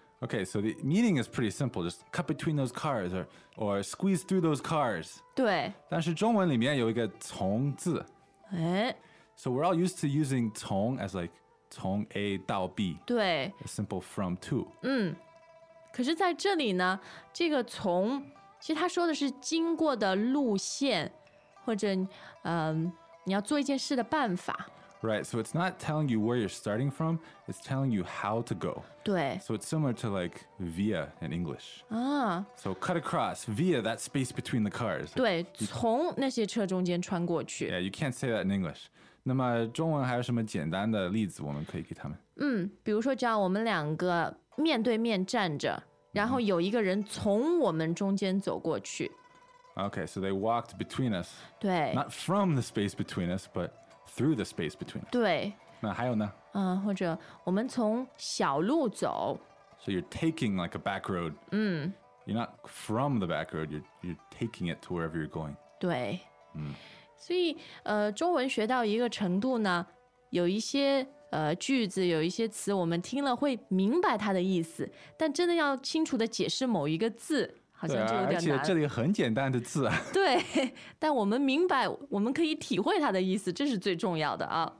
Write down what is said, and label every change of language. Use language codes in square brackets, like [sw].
[en] OK so the meaning is pretty simple just cut between those cars or squeeze through those cars. [zh] 对。但是中文里面有一个从字。诶。 [en] So we're all used to using 从 as like 从 A 到 B. [zh] 对。 [en] A simple from to. [zh] 嗯。可是在这里呢这个从其实他说的是经过的路线或者你要做一件事的办法。 [en] Right, so it's not telling you where you're starting from, it's telling you how to go. [zh] 对。 [en] So it's similar to like via in English. So cut across, via that space between the cars. [zh] 对,从那些车中间穿过去。 [en] Yeah, you can't say that in English. [zh] 那么中文还有什么简单的例子我们可以给他们? 嗯,比如说只要我们两个面对面站着,然后有一个人从我们中间走过去。 [en] Okay, so they walked between us. [zh] 对。 [en] Not from the space between us, but... through the space between us. [zh] 对。那还有呢？或者我们从小路走。 [en] So you're taking like a back road. [zh] 嗯。 [en] You're not from the back road, you're taking it to wherever you're going. [zh] 对。所以中文学到一个程度呢，有一些句子，有一些词，我们听了会明白它的意思，但真的要清楚的解释某一个字。好像就有点难对啊而且这里很简单的字啊对但我们明白我们可以体会它的意思这是最重要的啊